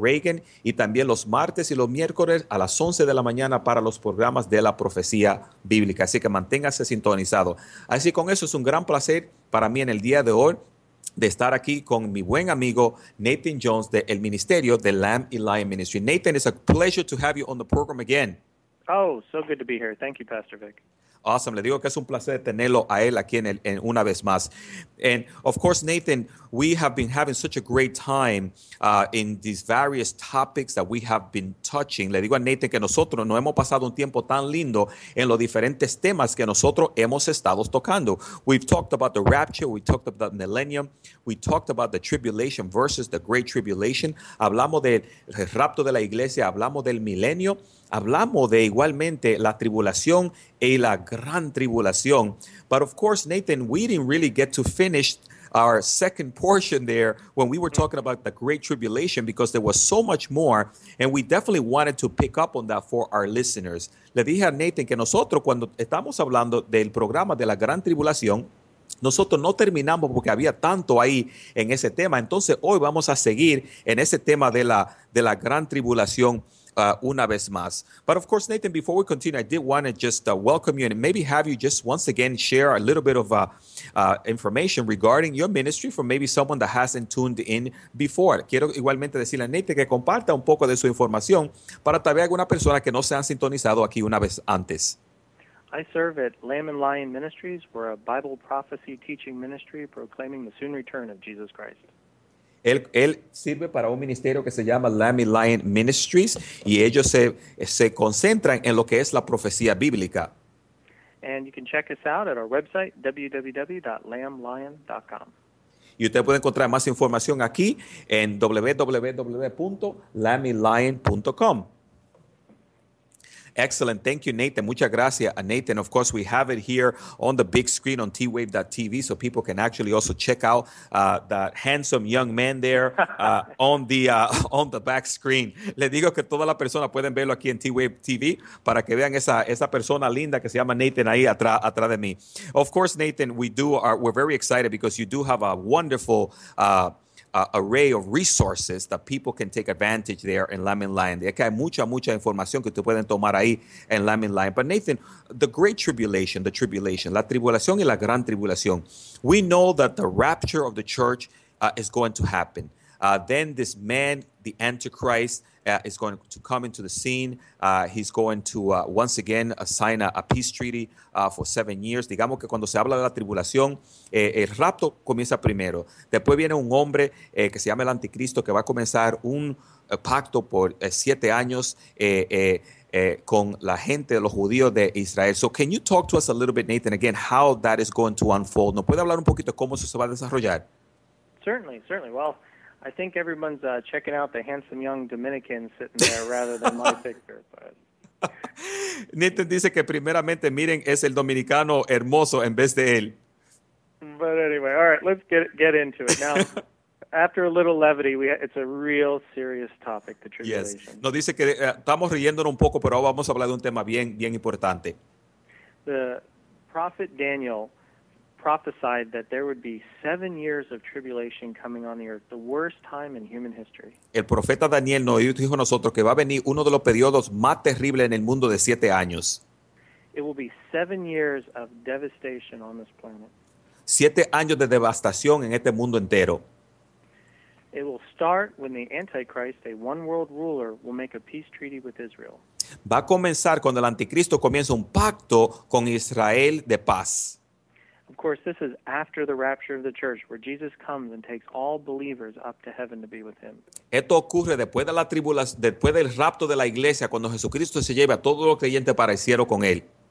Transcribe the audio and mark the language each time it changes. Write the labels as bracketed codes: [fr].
[es] Reagan y también los martes y los miércoles a las 11 de la mañana para los programas de la profecía bíblica. Así que manténgase sintonizado. Así que con eso es un gran placer para mí en el día de hoy de estar aquí con mi buen amigo Nathan Jones de el Ministerio de Lamb y Lion Ministry. [en] Nathan, it's a pleasure to have you on the program again. Oh, so good to be here. Thank you, Pastor Vic. [es] Awesome. Le digo que es un placer tenerlo a él aquí en una vez más. [en] And of course, Nathan, we have been having such a great time in these various topics that we have been touching. [es] Le digo a Nathan que nosotros no hemos pasado un tiempo tan lindo en los diferentes temas que nosotros hemos estado tocando. [en] We've talked about the rapture. We talked about the millennium. We talked about the tribulation versus the great tribulation. [es] Hablamos del rapto de la iglesia. Hablamos del milenio. Hablamos de igualmente la tribulación y la gran tribulación. [en] But of course, Nathan, we didn't really get to finish our second portion there when we were talking about the great tribulation because there was so much more and we definitely wanted to pick up on that for our listeners. [es] Le dije a Nathan que nosotros cuando estamos hablando del programa de la gran tribulación, nosotros no terminamos porque había tanto ahí en ese tema. Entonces hoy vamos a seguir en ese tema de la gran tribulación una vez más. [en] But of course, Nathan, before we continue, I did want to just welcome you and maybe have you just once again share a little bit of information regarding your ministry for maybe someone that hasn't tuned in before. [es] Quiero igualmente decirle a Nathan que comparta un poco de su información para tal vez alguna persona que no se han sintonizado aquí una vez antes. [en] I serve at Lamb and Lion Ministries. We're a Bible prophecy teaching ministry proclaiming the soon return of Jesus Christ. [es] Él sirve para un ministerio que se llama Lamb and Lion Ministries y ellos se concentran en lo que es la profecía bíblica. [en] And you can check us out at our website www.lamblion.com. [es] Y usted puede encontrar más información aquí en www.lamblion.com. [en] Excellent. Thank you, Nathan. [es] Muchas gracias, [en] Nathan. Of course, we have it here on the big screen on T-Wave.TV so people can actually also check out that handsome young man there on the back screen. [es] Le digo que todas las personas pueden verlo aquí en T-Wave.TV para que vean esa persona linda que se llama Nathan ahí atrás de mí. [en] Of course, Nathan, we're very excited because you do have a wonderful array of resources that people can take advantage there in Lamb and Lion. [es] Hay mucha información que tú pueden tomar ahí en Lamb and Lion. [en] But Nathan, the great tribulation, [es] la tribulación y la gran tribulación. [en] We know that the rapture of the church is going to happen. Then this man, the Antichrist, is going to come into the scene. He's going to once again sign a peace treaty for 7 years. [es] Digamos que cuando se habla de la tribulación, el rapto comienza primero. Después viene un hombre que se llama el Anticristo que va a comenzar un pacto por 7 años. con la gente, los judíos de Israel. [en] So can you talk to us a little bit, Nathan, again, how that is going to unfold? [es] ¿No puede hablar un poquito cómo eso se va a desarrollar? [en] Certainly, certainly. Well, I think everyone's checking out the handsome young Dominican sitting there rather than my picture. But... [es] Nathan dice que primeramente miren es el dominicano hermoso en vez de él. [en] But anyway, all right, let's get into it now. After a little levity, it's a real serious topic, the tribulation. Yes. [es] Nos dice que estamos riéndonos un poco, pero vamos a hablar de un tema bien, bien importante. [en] The prophet Daniel prophesied that there would be 7 years of tribulation coming on the earth, the worst time in human history. [es] El profeta Daniel nos dijo a nosotros que va a venir uno de los periodos más terribles en el mundo de 7 años. [en] It will be 7 years of devastation on this planet. [es] 7 años de devastación en este mundo entero. [en] It will start when the Antichrist, a one-world ruler, will make a peace treaty with Israel. [es] Va a comenzar cuando el anticristo comienza un pacto con Israel de paz. [en] Of course, this is after the rapture of the church, where Jesus comes and takes all believers up to heaven to be with him. [es] Esto ocurre después de la tribulación, después del rapto de la iglesia, cuando Jesucristo se lleva a todos los creyentes para el cielo con él.